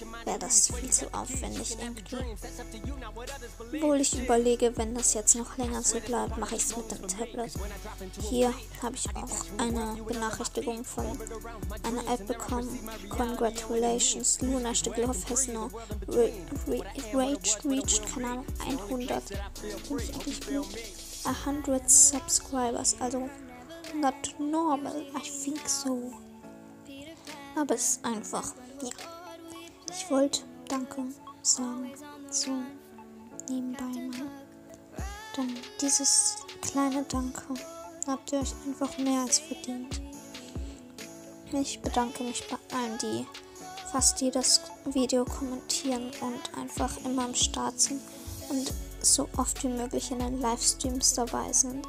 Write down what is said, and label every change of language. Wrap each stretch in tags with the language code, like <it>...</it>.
<de>Wäre das viel zu aufwendig irgendwie. Obwohl ich überlege, wenn das jetzt noch länger so bleibt, mache ich es mit dem Tablet. Hier habe ich auch eine Benachrichtigung von einer App bekommen.</de> <en>Congratulations, Luna Stiglow has now reached,</en> <de>keine Ahnung,</de> <en>100.</en> <de>Bin ich eigentlich blöd?</de> <en>100 Subscribers, also not normal, I think so.</en> <de>Aber es ist einfach, ja. Ich wollte Danke sagen, so nebenbei mal. Denn dieses kleine Danke habt ihr euch einfach mehr als verdient. Ich bedanke mich bei allen, die fast jedes Video kommentieren und einfach immer am Start sind und so oft wie möglich in den Livestreams dabei sind.</de>